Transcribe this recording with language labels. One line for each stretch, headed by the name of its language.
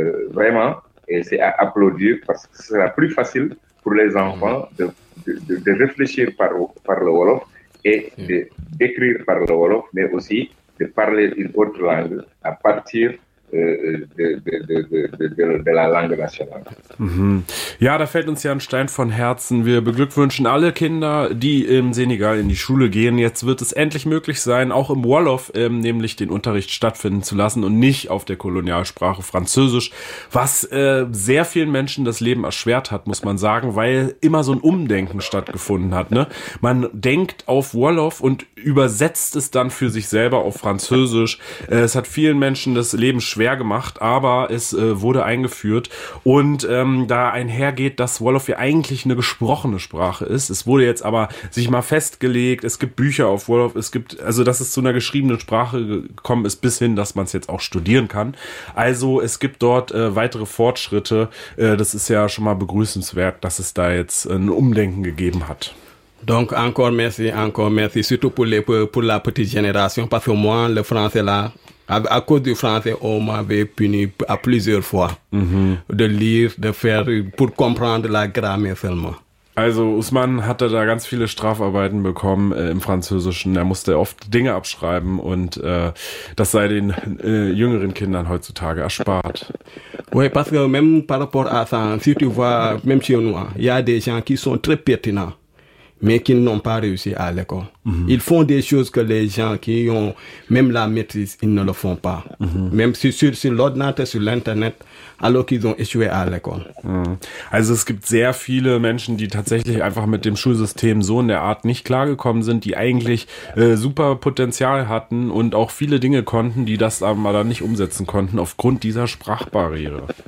French: vraiment, et c'est à applaudir parce que ce sera plus facile pour les enfants de réfléchir par le Wolof et d'écrire par le Wolof, mais aussi de parler une autre langue à partir de la langue nationale. Mm-hmm.
German: Ja, da fällt uns ja ein Stein von Herzen. Wir beglückwünschen alle Kinder, die im Senegal in die Schule gehen. Jetzt wird es endlich möglich sein, auch im Wolof nämlich den Unterricht stattfinden zu lassen und nicht auf der Kolonialsprache Französisch, was sehr vielen Menschen das Leben erschwert hat, muss man sagen, weil immer so ein Umdenken stattgefunden hat, ne? Man denkt auf Wolof und übersetzt es dann für sich selber auf Französisch. Es hat vielen Menschen das Leben schwer gemacht, aber es wurde eingeführt und da ein hergeht, dass Wolof ja eigentlich eine gesprochene Sprache ist. Es wurde jetzt aber sich mal festgelegt, es gibt Bücher auf Wolof, es gibt, also dass es zu einer geschriebenen Sprache gekommen ist, bis hin, dass man es jetzt auch studieren kann. Also es gibt dort weitere Fortschritte. Das ist ja schon mal begrüßenswert, dass es da jetzt ein Umdenken gegeben hat.
French: Donc encore merci, surtout pour la petite génération, parce que moi, le français là, à cause du français, on m'avait puni à plusieurs fois de lire, de faire, pour comprendre la grammaire seulement.
German: Also Ousmane hatte da ganz viele Strafarbeiten bekommen im Französischen. Er musste oft Dinge abschreiben und das sei den jüngeren Kindern heutzutage erspart.
French: Oui, parce que même par rapport à ça, si tu vois, même chez nous, y a des gens qui sont très pertinents. Mais qui n'ont pas réussi à l'école. Mm-hmm. Ils font des choses que les gens qui ont même la maîtrise, ils ne le font pas. Mm-hmm. Même sur l'ordinateur, sur l'internet, alors qu'ils ont échoué à l'école.
German: Also es gibt sehr viele Menschen, die tatsächlich einfach mit dem Schulsystem so in der Art nicht klargekommen sind, die eigentlich super Potenzial hatten und auch viele Dinge konnten, die das aber dann nicht umsetzen konnten aufgrund dieser Sprachbarriere.